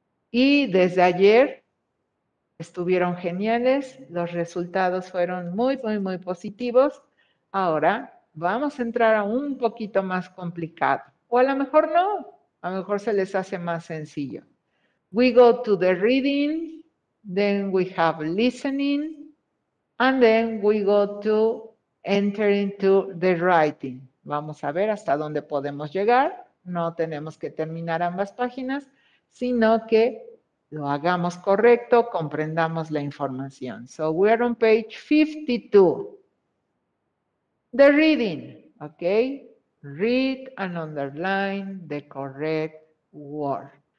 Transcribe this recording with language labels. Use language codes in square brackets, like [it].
[es] Y desde ayer estuvieron geniales. Los resultados fueron muy, muy, muy positivos. Ahora vamos a entrar a un poquito más complicado. O a lo mejor no, a lo mejor se les hace más sencillo. [en] We go to the reading, then we have listening, and then we go to enter into the writing. [es] Vamos a ver hasta dónde podemos llegar. No tenemos que terminar ambas páginas, sino que lo hagamos correcto, comprendamos la información. [en] So we are on page 52. The reading, okay? Read and underline the correct word.